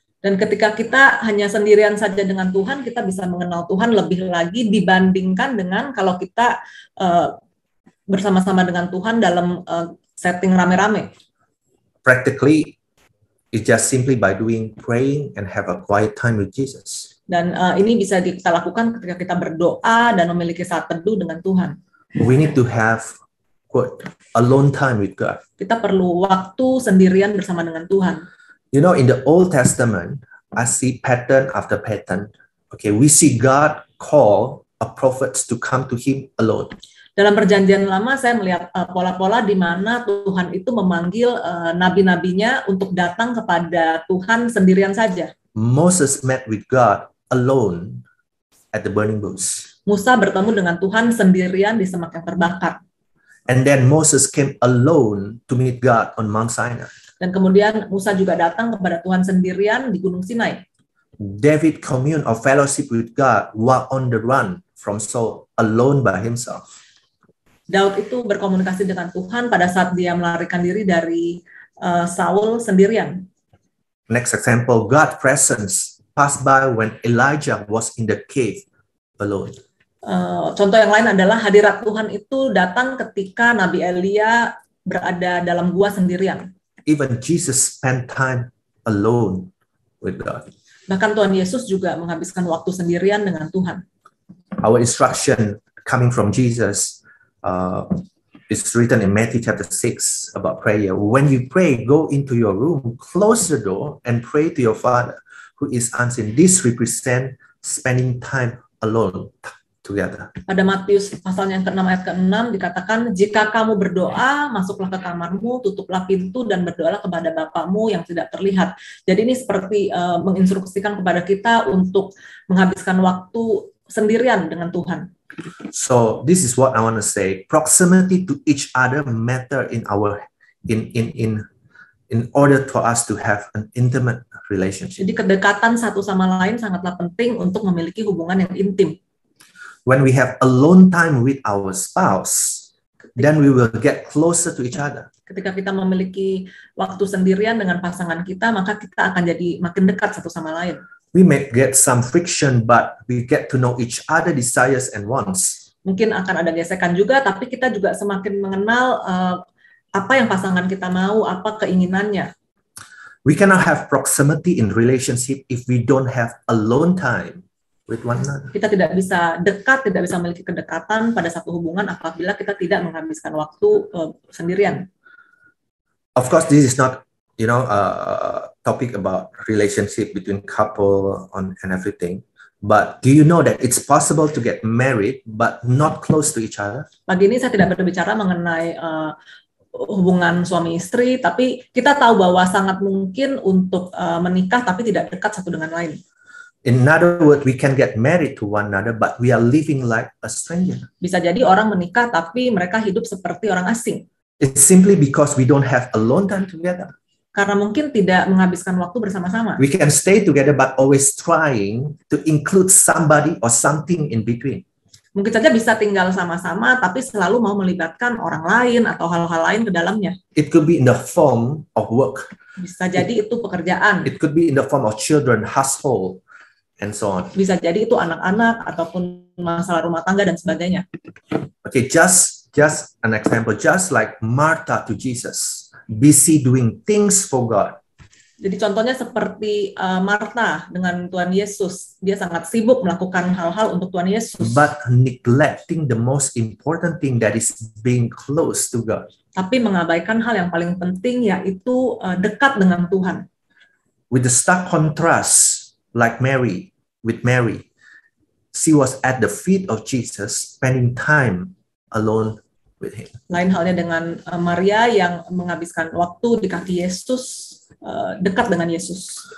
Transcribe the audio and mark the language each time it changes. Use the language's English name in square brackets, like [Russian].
[Indonesian] Dan ketika kita hanya sendirian saja dengan Tuhan, kita bisa mengenal Tuhan lebih lagi dibandingkan dengan kalau kita bersama-sama dengan Tuhan dalam setting rame-rame. [English] Practically, it's just simply by doing praying and have a quiet time with Jesus. [Indonesian] Dan ini bisa kita lakukan ketika kita berdoa dan memiliki saat teduh dengan Tuhan. [English] We need to have quote, alone time with God. [Indonesian] Kita perlu waktu sendirian bersama dengan Tuhan. [English] You know, in the Old Testament, I see pattern after pattern. Okay, we see God call a prophet to come to him alone. [Indonesian] Dalam Perjanjian Lama saya melihat pola-pola di mana Tuhan itu memanggil nabi-nabinya untuk datang kepada Tuhan sendirian saja. [English] Moses met with God alone at the burning bush. [Indonesian] Musa bertemu dengan Tuhan sendirian di semak yang terbakar. [English] And then Moses came alone to meet God on Mount Sinai. [Indonesian] Dan kemudian Musa juga datang kepada Tuhan sendirian di Gunung Sinai. [English] David communed of fellowship with God while on the run from Saul, alone by himself. [Indonesian] Daud itu berkomunikasi dengan Tuhan pada saat dia melarikan diri dari Saul sendirian. [English] Next example, God presence passed by when Elijah was in the cave alone. [Indonesian] Contoh yang lain adalah hadirat Tuhan itu datang ketika Nabi Elia berada dalam gua sendirian. [English] Even Jesus spent time alone with God. [Indonesian] Bahkan Tuhan Yesus juga menghabiskan waktu sendirian dengan Tuhan. [English] Our instruction coming from Jesus is written in Matthew chapter 6 about prayer. When you pray, go into your room, close the door, and pray to your Father who is unseen. This represents spending time alone together. [Indonesian] Pada Matius pasal yang ke-6 ayat ke-6 dikatakan, jika kamu berdoa, masuklah ke kamarmu, tutuplah pintu, dan berdoalah kepada Bapamu yang tidak terlihat. Jadi ini seperti menginstruksikan kepada kita untuk menghabiskan waktu sendirian dengan Tuhan. [English] So this is what I want to say. Proximity to each other matter in our in order for us to have an intimate relationship. [Indonesian] Jadi kedekatan satu sama lain sangatlah penting untuk memiliki hubungan yang intim. [English] When we have alone time with our spouse, then we will get closer to each other. [Indonesian] Ketika kita memiliki waktu sendirian dengan pasangan kita, maka kita akan jadi makin dekat satu sama lain. [English] We may get some friction, but we get to know each other's desires and wants. [Indonesian] Mungkin akan ada gesekan juga, tapi kita juga semakin mengenal apa yang pasangan kita mau, apa keinginannya. [English] We cannot have proximity in relationship if we don't have alone time with one another. [Indonesian] Kita tidak bisa dekat, tidak bisa memiliki kedekatan pada satu hubungan apabila kita tidak menghabiskan waktu sendirian. [English] Of course, this is not, you know, topic about relationship between couple on and everything, but do you know that it's possible to get married but not close to each other? [Indonesian] Pagi ini saya tidak berbicara mengenai hubungan suami istri, tapi kita tahu bahwa sangat mungkin untuk menikah tapi tidak dekat satu dengan lain. [English] In other words, we can get married to one another but we are living like a stranger. [Indonesian] Bisa jadi orang menikah tapi mereka hidup seperti orang asing. [English] It's simply because we don't have alone time together. [Indonesian] Karena mungkin tidak menghabiskan waktu bersama-sama. [English] We can stay together but always trying to include somebody or something in between. [Indonesian] Mungkin saja bisa tinggal sama-sama tapi selalu mau melibatkan orang lain atau hal-hal lain ke dalamnya. [English] It could be in the form of work. [Indonesian] Bisa jadi itu pekerjaan. [English] It could be in the form of children, household, and so on. [Indonesian] Bisa jadi itu anak-anak ataupun masalah rumah tangga dan sebagainya. [English] Okay, just an example, just like Martha to Jesus. Busy doing things for God. [Indonesian] Jadi contohnya seperti Martha dengan Tuhan Yesus, dia sangat sibuk melakukan hal-hal untuk Tuhan Yesus. [English] But neglecting the most important thing, that is being close to God. [Indonesian] Tapi mengabaikan hal yang paling penting, yaitu dekat dengan Tuhan. [English] With the stark contrast, like Mary, with Mary, she was at the feet of Jesus, spending time alone. [Indonesian] Lain halnya dengan Maria yang menghabiskan waktu di kaki Yesus, dekat dengan Yesus.